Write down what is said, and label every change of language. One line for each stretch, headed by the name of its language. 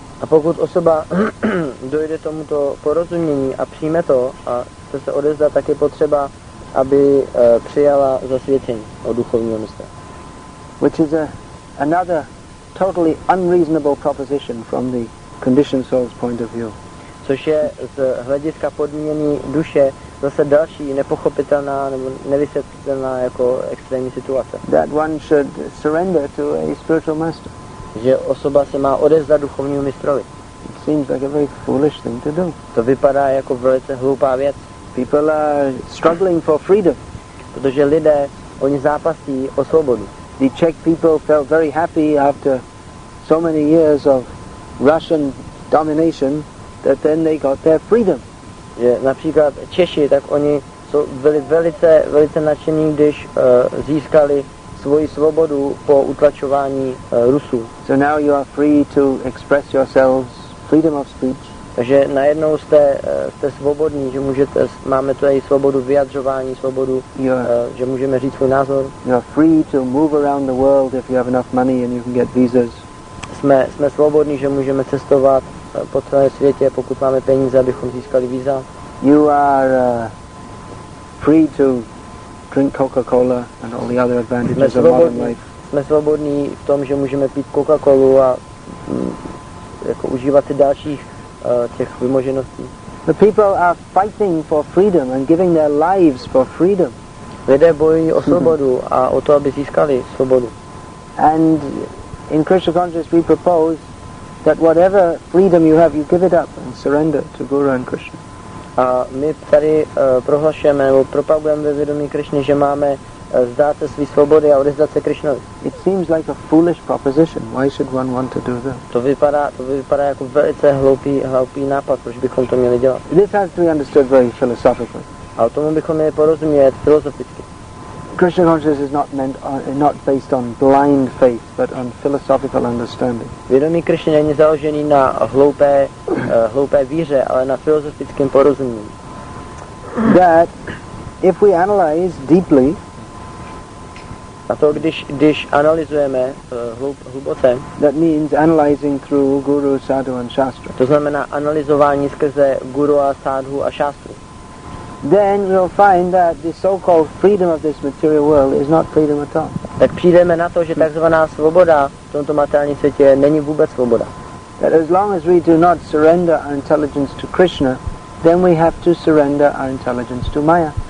Czech: A pokud osoba dojde tomuto porozumění a přijme to a chce se odezdat, tak je potřeba, aby přijala zasvěcení od duchovního mistra.
English: Which is another totally unreasonable proposition from the conditioned soul's point of view.
Czech: Což je z hlediska podmíněné duše zase další nepochopitelná nebo nevysvětlitelná jako extrémní situace.
English: That one should surrender to a spiritual master.
Czech: Že osoba se má odevzdat duchovnímu mistrovi.
English: It seems like a very foolish thing to do.
Czech: To vypadá jako velice hloupá věc.
English: People are struggling for freedom.
Czech: Protože lidé, oni zápasí o svobodu.
English: The Czech people felt very happy after so many years of Russian domination, that then they got their freedom.
Czech: Že například Češi, tak oni byli velice, velice nadšení, když získali svoji svobodu po utlačování Rusů.
English: So now you are free to express yourselves, freedom of speech.
Czech: Takže najednou jste svobodní, že můžete, máme tady svobodu vyjadřování, svobodu, že můžeme říct svůj názor.
English: You are free to move around the world if you have enough money and you can get visas.
Czech: Jsme svobodní, že můžeme cestovat po celém světě, pokud máme peníze, abychom získali víza.
English: You are free to drink Coca-Cola and all the other advantages of modern life.
Czech: Jsme svobodní v tom, že můžeme pít Coca-Colu a jako užívat si dalších těch vymožeností.
English: The people are fighting for freedom and giving their lives for freedom.
Czech: Lidé bojují o svobodu a o to, aby získali svobodu.
English: And in Krishna consciousness we propose that whatever freedom you have, you give it up and surrender to Guru and Krishna.
Czech: A my tady prohlašujeme nebo propagujeme ve vědomí Krishny, že máme vzdát se své svobody a odevzdat se Krishnovi.
English: It seems like a foolish proposition. Why should one want to do that?
Czech: To vypadá jako velice hloupý nápad, proč bychom to měli dělat.
English: This has to be understood very philosophically.
Czech: A o tom bychom měli porozumět filozoficky.
English: Krishna consciousness is not based on blind faith, but on philosophical understanding.
Czech: Vědomí Krishny není založený na hloupé víře, ale na filozofickém porozumění.
English: That if we analyze deeply,
Czech: a to když analyzujeme hluboce,
English: that means analyzing through guru, sadhu and shastra.
Czech: To znamená analyzování skrze guru a sadhu a shastru.
English: Then we'll find that the so-called freedom of this material world is not freedom at all.
Czech: Tak přijdeme na to, že takzvaná svoboda v tomto materiálním světě není vůbec svoboda.
English: That as long as we do not surrender our intelligence to Krishna, then we have to surrender our intelligence to Maya.